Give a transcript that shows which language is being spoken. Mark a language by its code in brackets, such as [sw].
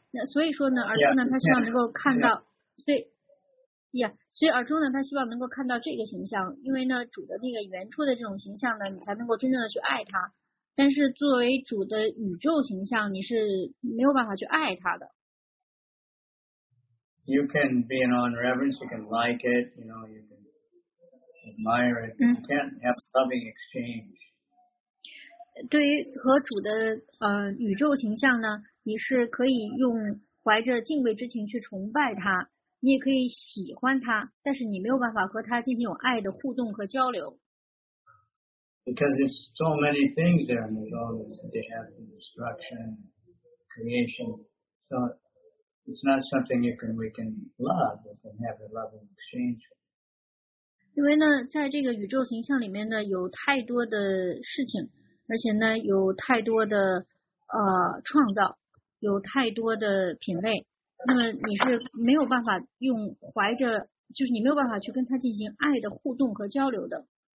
[zh] 那所以说呢，阿朱呢，他希望能够看到，所以，呀，所以阿朱呢，他希望能够看到这个形象，因为呢，主的那个原初的这种形象呢，你才能够真正的去爱他。但是作为主的宇宙形象，你是没有办法去爱他的。 [en] You can be in awe and reverence, you can like it, you know, you can admire it, but you can't have a loving exchange. [zh] 对于和主的宇宙形象呢，你是可以用怀着敬畏之情去崇拜它，你也可以喜欢它，但是你没有办法和它进行有爱的互动和交流。 [en] Because there's so many things there, and there's all this death and destruction, creation, so... It's not something you can, we can love, we can have a loving exchange. [zh] 因为呢，在这个宇宙形象里面呢，有太多的事情，而且呢，有太多的创造，有太多的品类。那么你是没有办法用怀着，就是你没有办法去跟他进行爱的互动和交流的。